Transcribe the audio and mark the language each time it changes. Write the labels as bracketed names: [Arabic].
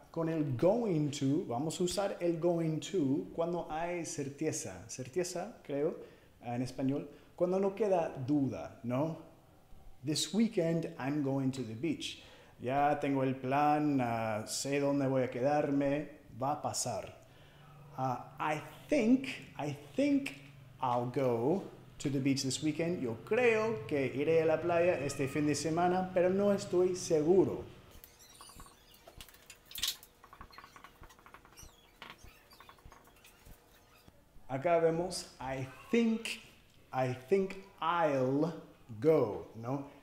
[Spanish] Con el going to, vamos a usar el going to cuando hay certeza. Certeza, creo, en español. Cuando no queda duda, ¿no? [English] This weekend I'm going to the beach. [Spanish] Ya tengo el plan, sé dónde voy a quedarme. Va a pasar. [English] I think I'll go to the beach this weekend. [Spanish] Yo creo que iré a la playa este fin de semana, pero no estoy seguro. Acá vemos [English] I think I'll go, [Spanish] ¿no?